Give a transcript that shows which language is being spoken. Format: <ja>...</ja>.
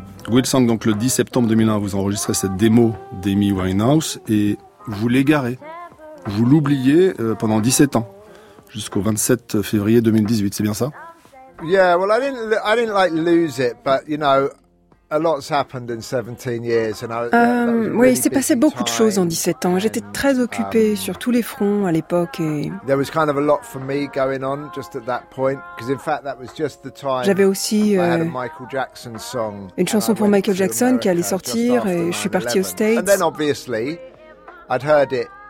<fr>Wilsang, donc le 10 septembre 2001, vous enregistrez cette démo d'Amy Winehouse et vous l'égarez, vous l'oubliez pendant 17 ans, jusqu'au 27 février 2018, c'est bien ça?</fr> <en>Yeah, well, I didn't like lose it, but you know, a lot's happened in 17 years.</en> <fr>Oui, il s'est passé beaucoup de choses en 17 ans. J'étais très occupée sur tous les fronts à l'époque.</fr> <en>There was kind of a lot for me going on just at that point, because in fact that was just the time.</en> <fr>J'avais aussi</fr> <en>Michael Jackson song.</en> <fr>Une chanson pour Michael Jackson qui allait sortir et je suis partie aux States.</fr> <en>And then obviously, I'd heard it.</en>